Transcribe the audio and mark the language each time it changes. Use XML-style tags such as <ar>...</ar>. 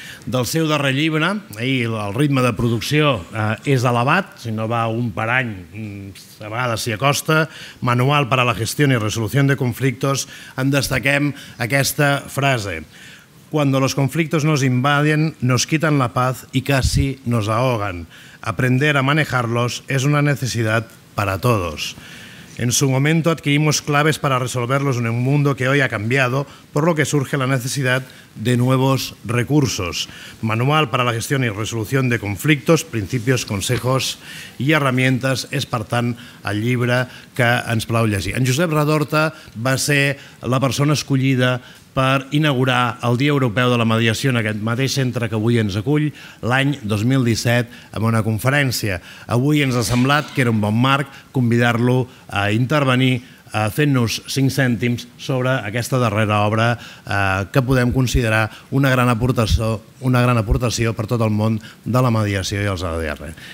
<ca>Del seu darrer llibre, el ritme de producció és elevat, si no va un per any, a vegades s'hi acosta, Manual para la gestión y resolución de conflictos, en destaquem aquesta frase:</ca> <es>cuando los conflictos nos invaden, nos quitan la paz y casi nos ahogan. Aprender a manejarlos es una necesidad para todos. En su momento adquirimos claves para resolverlos en un mundo que hoy ha cambiado, por lo que surge la necesidad de nuevos recursos.</es> <ca>Manual para la gestión y resolución de conflictos, principios, consejos y herramientas, és, per tant, el llibre que ens plau llegir. En Josep Radorta va ser la persona escollida per inaugurar el Dia Europeu de la Mediació en aquest mateix centre que avui ens acull, l'any 2017, amb una conferència. Avui ens ha semblat que era un bon marc convidar-lo a intervenir fent-nos 5 cèntims sobre aquesta darrera obra que podem considerar una gran aportació, per tot el món de la mediació i els ADR.</ca>